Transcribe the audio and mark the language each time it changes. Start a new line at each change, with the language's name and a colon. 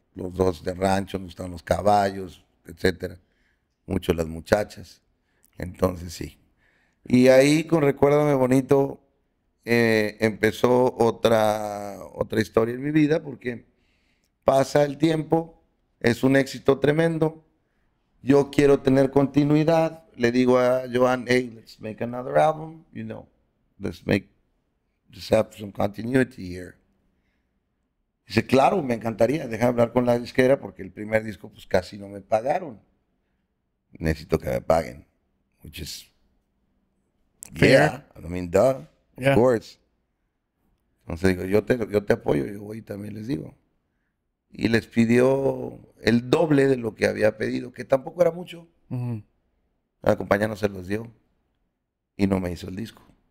Spanish: Los dos de rancho, nos gustaban los caballos, etcétera, mucho las muchachas. Entonces sí. Y ahí con Recuérdame Bonito empezó otra historia en mi vida, porque pasa el tiempo, es un éxito tremendo. Yo quiero tener continuidad. Le digo a Joan,
English: hey, let's make another album, you know. Let's make just have some continuity here.
Spanish: Dice, claro, me encantaría. Deja hablar con la disquera porque el primer disco pues casi no me pagaron. Necesito que me paguen.
English: Which is, yeah. I mean, duh, of yeah. course.
Spanish: Entonces digo, yo te apoyo, yo voy y también les digo. Y les pidió el doble de lo que había pedido, que tampoco era mucho. Mm-hmm. La compañía no se los dio y no me hizo el disco.